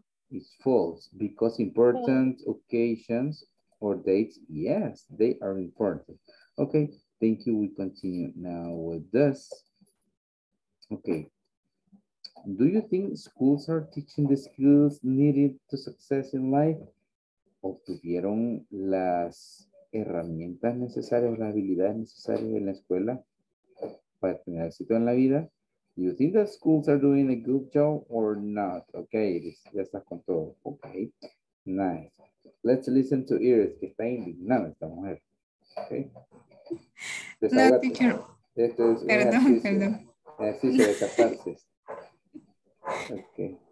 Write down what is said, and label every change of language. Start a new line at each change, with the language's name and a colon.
English: It's false because important occasions or dates, yes, they are important. Okay, thank you. We continue now with this. Okay. Do you think schools are teaching the skills needed to success in life?
Spanish: ¿Obtuvieron las herramientas necesarias, las habilidades necesarias en la escuela para tener éxito en la vida?
English: You think that schools are doing a good job or not?
Spanish: Okay, ya estás con todo. Okay, nice.
English: Let's listen to Iris,
Spanish: que está indignada esta mujer. Okay. Desahogate. No, teacher. Esto es perdón. Ejercicio de catarsis. Okay.